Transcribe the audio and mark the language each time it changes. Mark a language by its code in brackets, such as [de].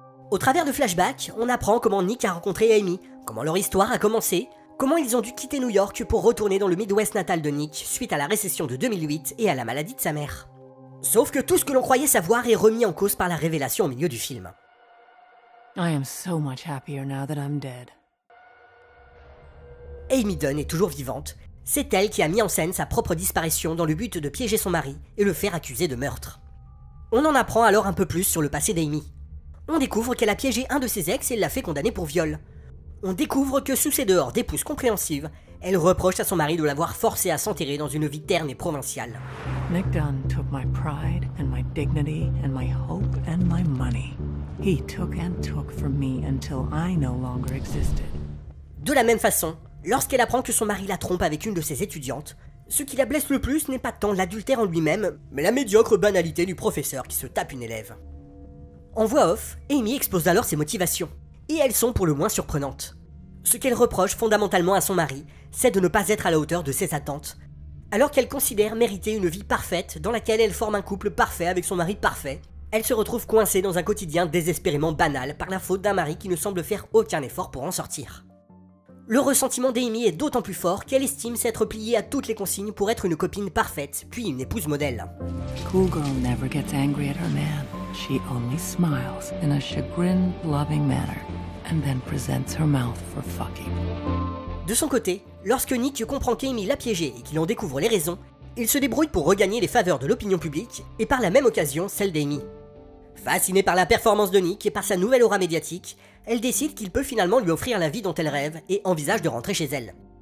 [fr] Au travers de flashbacks, on apprend comment Nick a rencontré Amy, comment leur histoire a commencé, comment ils ont dû quitter New York pour retourner dans le Midwest natal de Nick suite à la récession de 2008 et à la maladie de sa mère. Sauf que tout ce que l'on croyait savoir est remis en cause par la révélation au milieu du film. [en] I am so much happier now that I'm dead. [fr] Amy Dunn est toujours vivante. C'est elle qui a mis en scène sa propre disparition dans le but de piéger son mari et le faire accuser de meurtre. On en apprend alors un peu plus sur le passé d'Amy. On découvre qu'elle a piégé un de ses ex et l'a fait condamner pour viol. On découvre que sous ses dehors d'épouse compréhensive, elle reproche à son mari de l'avoir forcé à s'enterrer dans une vie terne et provinciale. [en] Nick Dunn took my pride and my dignity and my hope and my money. He took and took from me until I no longer existed. [fr] De la même façon, lorsqu'elle apprend que son mari la trompe avec une de ses étudiantes, ce qui la blesse le plus n'est pas tant l'adultère en lui-même, mais la médiocre banalité du professeur qui se tape une élève. En voix off, Amy expose alors ses motivations, et elles sont pour le moins surprenantes. Ce qu'elle reproche fondamentalement à son mari, c'est de ne pas être à la hauteur de ses attentes, alors qu'elle considère mériter une vie parfaite dans laquelle elle forme un couple parfait avec son mari parfait, elle se retrouve coincée dans un quotidien désespérément banal par la faute d'un mari qui ne semble faire aucun effort pour en sortir. Le ressentiment d'Amy est d'autant plus fort qu'elle estime s'être pliée à toutes les consignes pour être une copine parfaite, puis une épouse modèle. [en] Cool girl never gets angry at her man. She only smiles in a chagrin loving manner and then presents her mouth for fucking. [fr] De son côté, lorsque Nick comprend qu'Amy l'a piégé et qu'il en découvre les raisons, il se débrouille pour regagner les faveurs de l'opinion publique et par la même occasion celle d'Amy. Fascinée par la performance de Nick et par sa nouvelle aura médiatique, elle décide qu'il peut finalement lui offrir la vie dont elle rêve et envisage de rentrer chez elle.